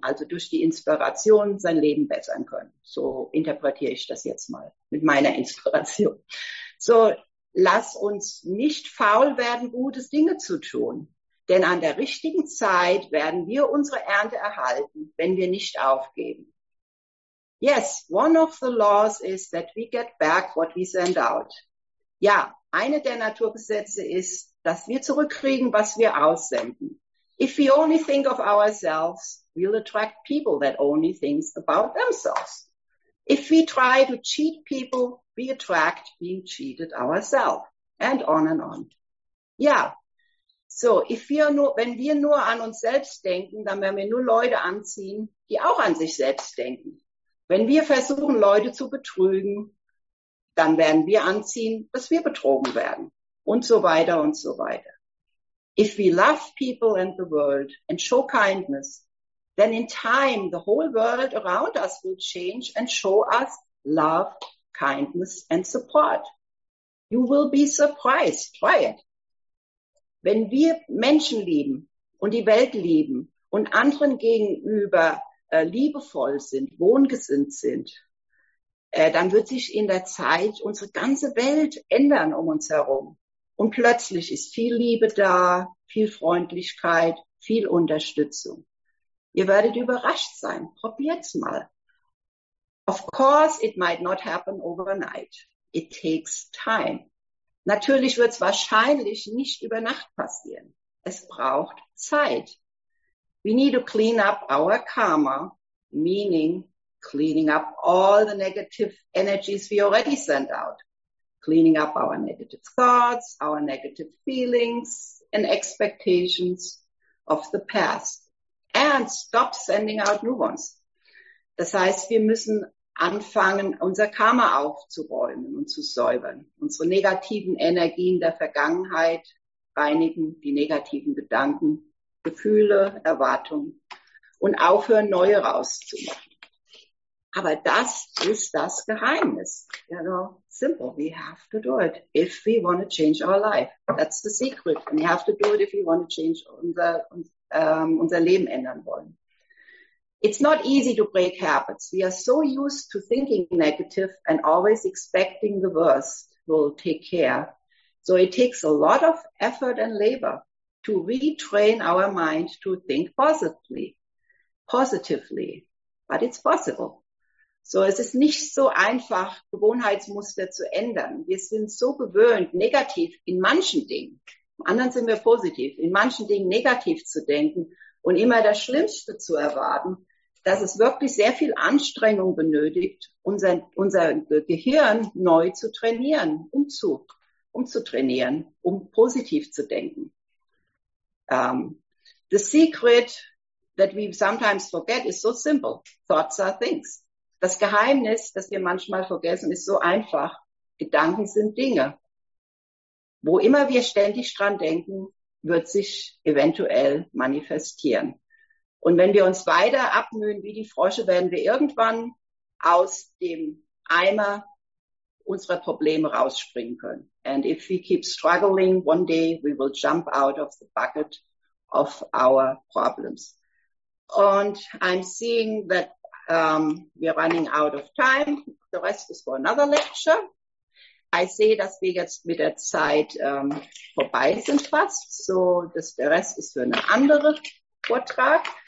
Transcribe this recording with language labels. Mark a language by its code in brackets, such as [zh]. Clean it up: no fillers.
[de] Also durch die Inspiration sein Leben bessern können. So interpretiere ich das jetzt mal mit meiner Inspiration. So, lass uns nicht faul werden, gutes Dinge zu tun. Denn an der richtigen Zeit werden wir unsere Ernte erhalten, wenn wir nicht aufgeben. [en] Yes, one of the laws is that we get back what we send out. [de] Ja, eine der Naturgesetze ist, dass wir zurückkriegen, was wir aussenden. [en] If we only think of ourselves, we'll attract people that only think about themselves. If we try to cheat people, we attract being cheated ourselves. And on and on. [de] Ja, so, wenn wir nur an uns selbst denken, dann werden wir nur Leute anziehen, die auch an sich selbst denken. Wenn wir versuchen, Leute zu betrügen, dann werden wir anziehen, dass wir betrogen werden. Und so weiter und so weiter. [en] If we love people and the world and show kindness, then in time the whole world around us will change and show us love, kindness and support. You will be surprised. Try it. [de] Wenn wir Menschen lieben und die Welt lieben und anderen gegenüber liebevoll sind, wohngesinnt sind, dann wird sich in der Zeit unsere ganze Welt ändern um uns herum. Und plötzlich ist viel Liebe da, viel Freundlichkeit, viel Unterstützung. Ihr werdet überrascht sein. Probiert's mal. [en] Of course, it might not happen overnight. It takes time. [de] Natürlich wird's wahrscheinlich nicht über Nacht passieren. Es braucht Zeit. [en] We need to clean up our karma, meaning cleaning up all the negative energies we already sent out. Cleaning up our negative thoughts, our negative feelings and expectations of the past. And stop sending out new ones. [de] Das heißt, wir müssen anfangen, unser Karma aufzuräumen und zu säubern. Unsere negativen Energien der Vergangenheit reinigen, die negativen Gedanken, Gefühle, Erwartungen und aufhören, neue rauszumachen. Aber das ist das Geheimnis. [en] You know, simple, we have to do it if we want to change our life. That's the secret. And we have to do it if we want to change [de] unser Leben ändern wollen. [en] It's not easy to break habits. We are so used to thinking negative and always expecting the worst will take care. So it takes a lot of effort and labor to retrain our mind to think positively, but it's possible. [de] So es ist nicht so einfach, Gewohnheitsmuster zu ändern. Wir sind so gewöhnt, negativ in manchen Dingen, im anderen sind wir positiv, in manchen Dingen negativ zu denken und immer das Schlimmste zu erwarten, dass es wirklich sehr viel Anstrengung benötigt, unser Gehirn neu zu trainieren, umzutrainieren, um positiv zu denken. [en] The secret that we sometimes forget is so simple. Thoughts are things. [de] Das Geheimnis, das wir manchmal vergessen, ist so einfach. Gedanken sind Dinge. Wo immer wir ständig dran denken, wird sich eventuell manifestieren. Und wenn wir uns weiter abmühen wie die Frösche, werden wir irgendwann aus dem Eimer unsere Probleme rausspringen können. [en] And if we keep struggling, one day we will jump out of the bucket of our problems. And I'm seeing that we're running out of time. The rest is for another lecture. I see, [de] dass wir jetzt mit der Zeit vorbei sind fast. So, der Rest ist für einen anderen Vortrag.